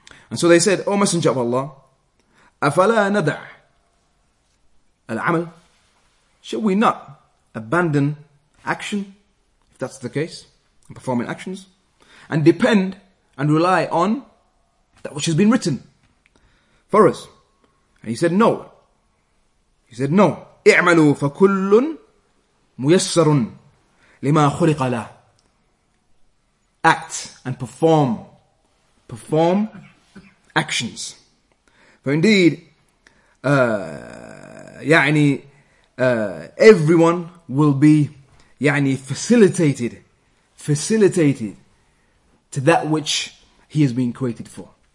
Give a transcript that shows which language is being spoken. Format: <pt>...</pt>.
<en>And so they said, O Messenger of Allah,</en> <ar>أَفَلَا نَدَعْ الْعَمَلِ,</ar> <en>should we not abandon action, if that's the case, performing actions, and depend and rely on that which has been written for us? And he said no.</en> <ar>اعملوا فكل ميسر لما خلق له.</ar> <en>Act and perform actions, for indeed everyone will be facilitated to that which he has been created for.</en>